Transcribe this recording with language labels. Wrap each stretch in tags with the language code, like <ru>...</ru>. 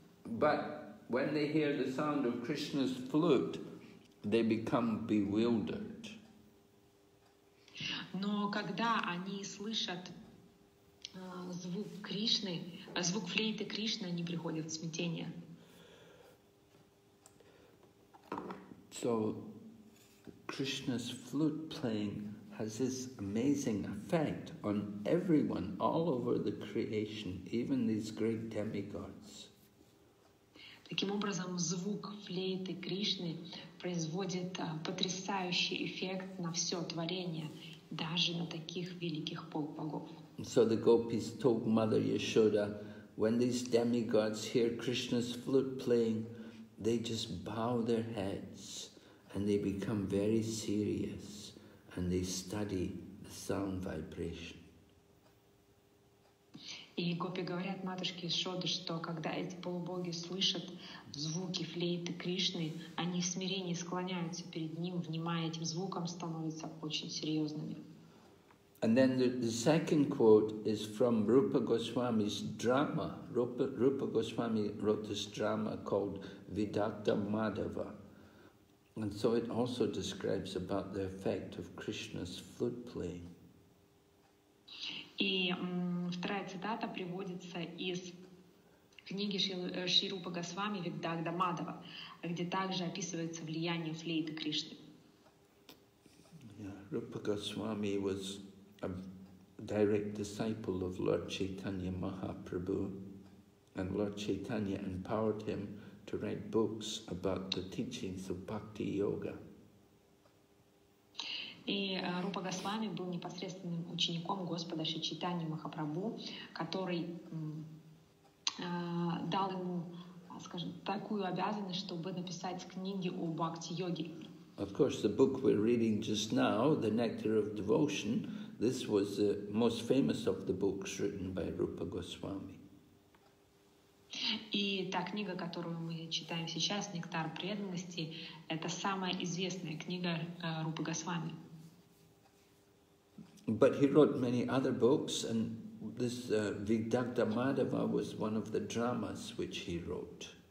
<en>But when they hear the sound of Krishna's flute, they become bewildered.</en> <ru>Но когда они слышат звук Кришны, звук флейты Кришны, они приходят в смятение.</ru> <en>So Krishna's flute playing has this amazing effect on everyone all over the creation, even these great demigods.</en> <ru>Таким образом, звук флейты Кришны производит потрясающий эффект на все творение, даже на таких великих полубогов.</ru> <en>So the gopis told Mother Yashoda, when these demigods hear Krishna's flute playing, they just bow their heads and they become very serious and they study the sound vibration.</en> <ru>И гопи говорят матушке Ишоды, что когда эти полубоги слышат звуки флейты Кришны, они в смирении склоняются перед ним, внимая этим звукам, становятся очень серьезными.</ru> <en>And then the second quote is from Rupa Goswami's drama. Rupa Goswami wrote this drama called Vidagdha Madhava. And so it also describes about the effect of Krishna's flute playing.</en> <ru>И вторая цитата приводится из книги Шри Рупа Госвами «Вигдагда Мадава», где также описывается влияние флейты Кришны.</ru> <en>Yeah, Rupa Goswami was a direct disciple of Lord Chaitanya Mahaprabhu, and Lord Chaitanya empowered him to write books about the teachings of Bhakti Yoga.</en> <ru>И Рупа Госвами был непосредственным учеником Господа Шри Чайтаньи Махапрабху, который дал ему, скажем, такую обязанность, чтобы написать книги о бхакти-йоге.</ru> <en>Of course, the book we're reading just now, The Nectar of Devotion, this was the most famous of the books written by Rupa Goswami.</en> <ru>И та книга, которую мы читаем сейчас, «Нектар преданности», это самая известная книга Рупы Госвами.</ru> <en>But he wrote many other books, and this Vidagdha Madhava was one of the dramas which he wrote.</en>